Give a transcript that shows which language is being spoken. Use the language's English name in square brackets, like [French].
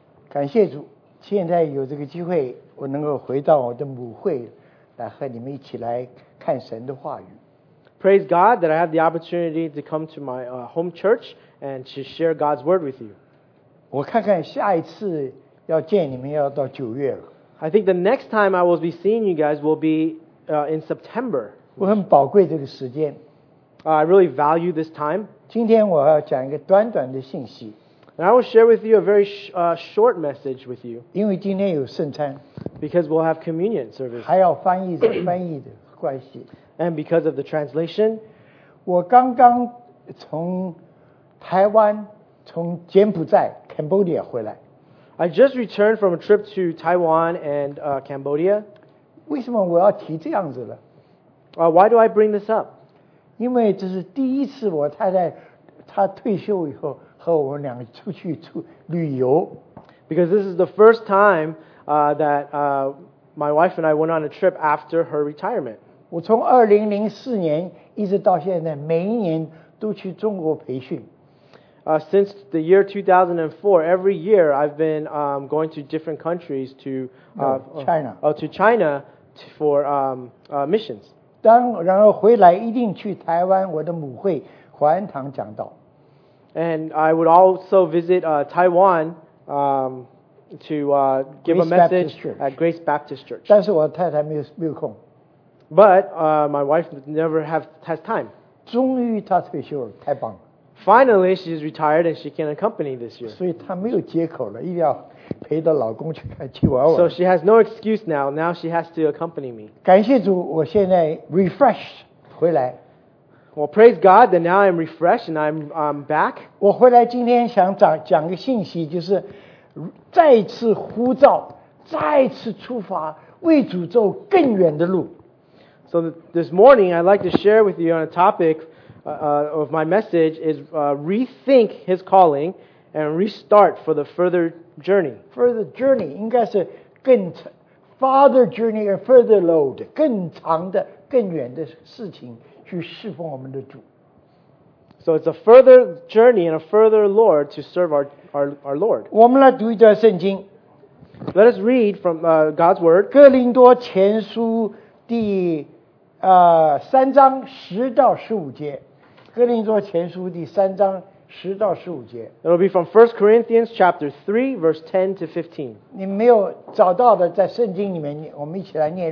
[Chinese] 感谢主，现在有这个机会，我能够回到我的母会来和你们一起来看神的话语。 [English] Praise God that I have the opportunity to come to my home church and to share God's word with you. [Chinese] 我看看下一次要见你们要到九月了。 [English] I think the next time I will be seeing you guys will be in September. [Chinese] 我很宝贵这个时间。 [English] I really value this time. [Chinese] 今天我要讲一个短短的信息。 [English] And I will share with you a very short message with you. [Chinese] 因为今天有圣餐。 [English] Because we'll have communion service. [Chinese] 还要翻译的翻译的关系。 [English] And because of the translation. [Chinese] 我刚刚从台湾从柬埔寨 Cambodia 回来。 [English] I just returned from a trip to Taiwan and Cambodia. [Chinese] 为什么我要提这样子了？ [English] Why do I bring this up? [Chinese] 因为这是第一次我太太她退休以后和我们两个出去旅游。 [English] Because this is the first time my wife and I went on a trip after her retirement. [Chinese] 我从2004年一直到现在，每一年都去中国培训。 [English] Since the year 2004, every year I've been going to different countries to China for missions. [Chinese] 然后回来一定去台湾我的母会华安堂讲道。 [English] And I would also visit Taiwan to give a message at Grace Baptist Church. [Chinese] 但是我太太没有空。 [English] But my wife never has time. [Chinese] 终于她退休了，太棒了。 [English] Finally, she's retired and she can accompany this year. [Chinese] 所以她没有借口了，一定要陪着老公去玩玩。 [English] So she has no excuse now. Now she has to accompany me. [Chinese] 感谢主，我现在 refreshed 回来。 [English] Well, praise God that now I'm refreshed and I'm back. [Chinese] 我回来今天想讲个信息，就是再次呼召，再次出发，为主走更远的路。 [English] So this morning, I'd like to share with you on a topic. Of my message is rethink his calling and restart for the further journey. Further journey [Chinese] 应该是更 [English] farther journey or further load [Chinese] 更长的更远的事情去侍奉我们的主。 [English] So it's a further journey and a further Lord to serve our Lord. [Chinese] 我们来读一段圣经。 [English] Let us read from God's word. [Chinese] 哥林多前书第三章十到十五节。哥林多前书第三章十到十五节。 [English] It will be from 1 Corinthians chapter 3, verse 10 to 15. [Chinese] 你没有找到的在圣经里面我们一起来念。